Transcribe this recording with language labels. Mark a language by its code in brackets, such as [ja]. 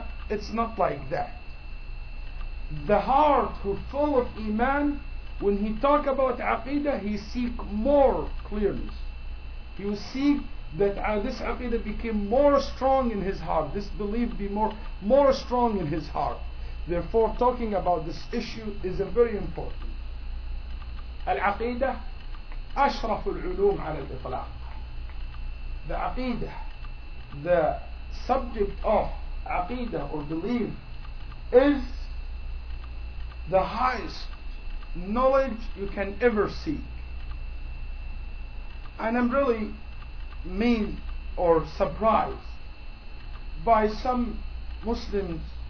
[en] It's not like that. The heart who full of Iman, when he talk about Aqidah, he seek more clearness. He will see that this Aqidah became more strong in his heart. This belief be more strong in his heart. Therefore, talking about this issue is a very important. [ar] Al-Aqidah, أشرف العلوم على الإطلاق. [en] The Aqidah, the subject of Aqidah or belief, is the highest knowledge you can ever seek. And I'm really amazed or surprised by some Muslims.